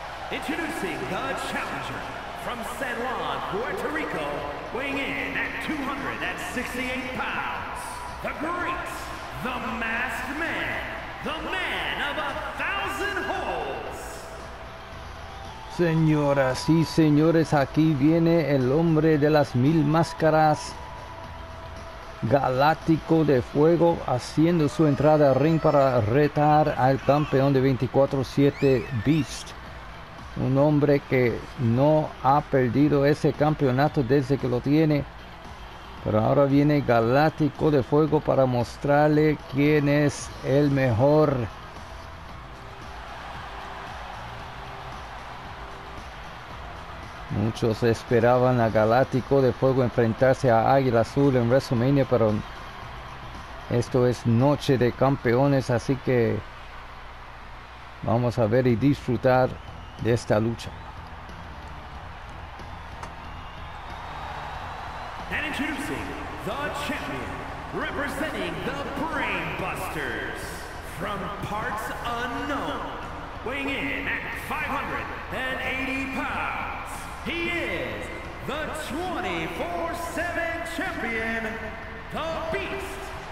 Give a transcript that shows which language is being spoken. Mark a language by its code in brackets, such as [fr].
[en] Introducing the challenger from San Juan, Puerto Rico, weighing in at 268 pounds, the great, the masked man, the man of a thousand holds. [es] Señoras y señores, aquí viene el hombre de las mil máscaras, Galáctico de Fuego, haciendo su entrada al ring para retar al campeón de 24/7 Beast. Un hombre que no ha perdido ese campeonato desde que lo tiene. Pero ahora viene Galáctico de Fuego para mostrarle quién es el mejor. Muchos esperaban a Galáctico de Fuego enfrentarse a Águila Azul en WrestleMania, pero esto es noche de campeones, así que vamos a ver y disfrutar de esta lucha. [en] And introducing the champion, representing the Brain Busters, from parts unknown, weighing in at 580 pounds, he is the 24/7 champion, the Beast.